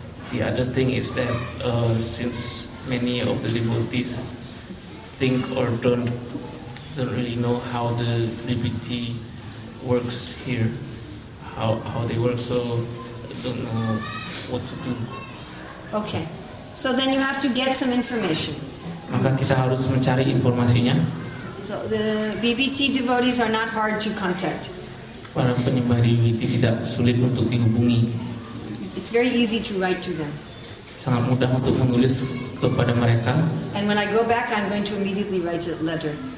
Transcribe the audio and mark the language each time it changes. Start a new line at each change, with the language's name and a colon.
English: The other thing is that since many of the devotees think or don't really know how the DBT works here, how they work, so don't know what to do. Okay. So then you have to get some information.
Indonesian: Maka kita harus mencari informasinya.
English: So the BBT devotees are not hard to contact.
Indonesian: Para penyembah BBT tidak sulit untuk dihubungi.
English: It's very easy to write to them.
Indonesian: Sangat mudah untuk menulis kepada mereka.
English: And when I go back, I'm going to immediately write a letter.